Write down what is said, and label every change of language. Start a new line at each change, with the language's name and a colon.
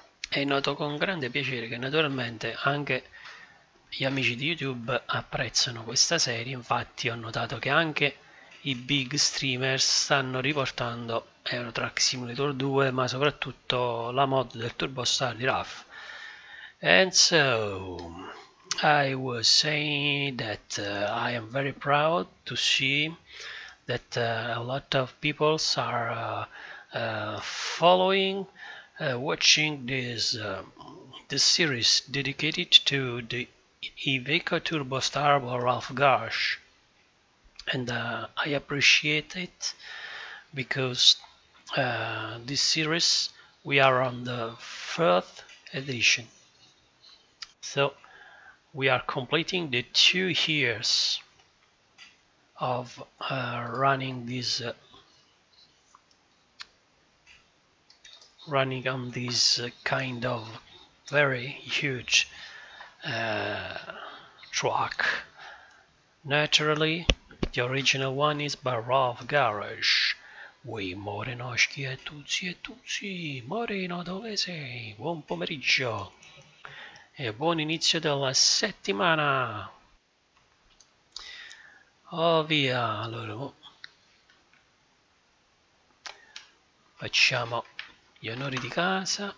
Italian: E noto con grande piacere che naturalmente anche gli amici di YouTube apprezzano questa serie. Infatti ho notato che anche i big streamer stanno riportando Euro Truck Simulator 2, ma soprattutto la mod del Turbo Star di Raf.
English: And so I was saying that I am very proud to see that a lot of people are following watching this this series dedicated to the Iveco Turbo Star by Ralph Garsh, and I appreciate it because this series, we are on the fourth edition, so we are completing the 2 years of running this running on this kind of very huge truck. Naturally, the original one is by Ralph Garage.
Italian: Oui, morenoschi e tutti e tutti. Moreno, dove sei? Buon pomeriggio e buon inizio della settimana. Oh via, allora facciamo gli onori di casa.